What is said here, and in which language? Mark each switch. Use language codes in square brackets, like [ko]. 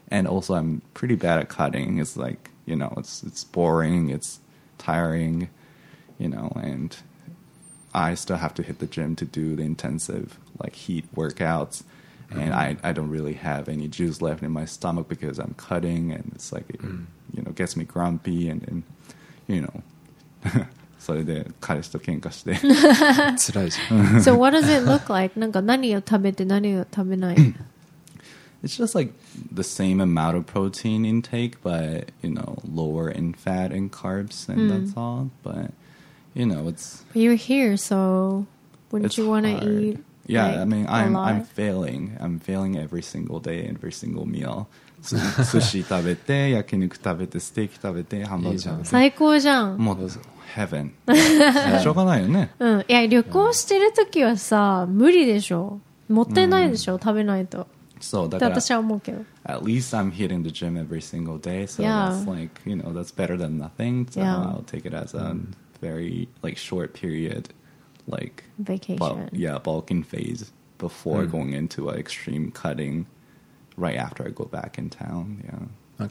[en] And also I'm pretty bad at cutting. It's like... You know, it's boring, it's tiring, you know, and I still have to hit the gym to do the intensive, like, heat workouts. And I don't really have any juice left in my stomach because I'm cutting and it's like, you know, gets me grumpy and you know. [ja] それで彼氏と喧嘩して。辛いじゃん。 [en] So what does it look like? [ja] なんか何を食べて何を食べない [en] It's just like the same amount of protein intake, but, you know, lower in fat and carbs, and that's all. But, you know, it's... But you're here, so wouldn't you want to eat? Yeah, like, I mean, I'm failing. I'm failing every single day, every single meal. [ja] Sushi tabete, yakiniku tabete, steak tabete, hamburger tabete. 最高じゃん。もう、heaven。しょうがないよね。うん。いや、旅行してるときはさ、無理でしょ。もったいないでしょ、食べないと。そう、だから。私は思うけど。 [en] At least I'm hitting the gym every single day, so that's like, you know, that's better than nothing. So I'll take it as a very, like, short period. Like vacation, bulking phase before going into an extreme cutting right after I go back in town. Yeah,